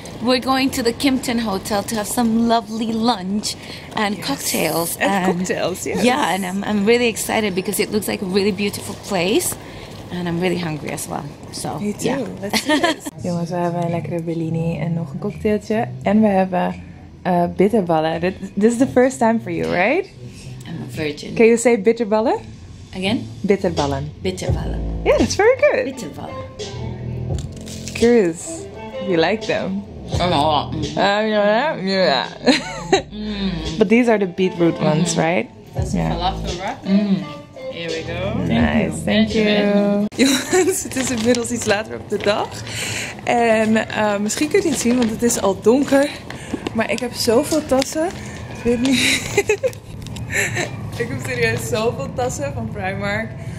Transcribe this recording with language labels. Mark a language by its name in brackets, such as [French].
[English] We're going to the Kimpton Hotel to have some lovely lunch and yes. cocktails. And cocktails, yes. Yeah, and I'm really excited because it looks like a really beautiful place. And I'm really hungry as well. So, me too. Yeah. Let's do this. [Dutch] Jongens, we hebben een lekkere bellini en nog een cocktailtje. En we hebben bitterballen. [English] This is the first time for you, right? I'm a virgin. Can you say bitterballen? Again? Bitterballen. Bitterballen. Yeah, that's very good. Bitterballen. Curious if you like them. Yeah. But these are the beetroot ones, right? That's yeah. falafel, right? Mm. Here we go. Nice, thank you. [Dutch] Jongens, het is inmiddels iets later op de dag. En misschien kun je het niet zien, want het is al donker. Maar ik heb zoveel tassen. Ik weet niet. Ik heb serieus zoveel tassen van Primark.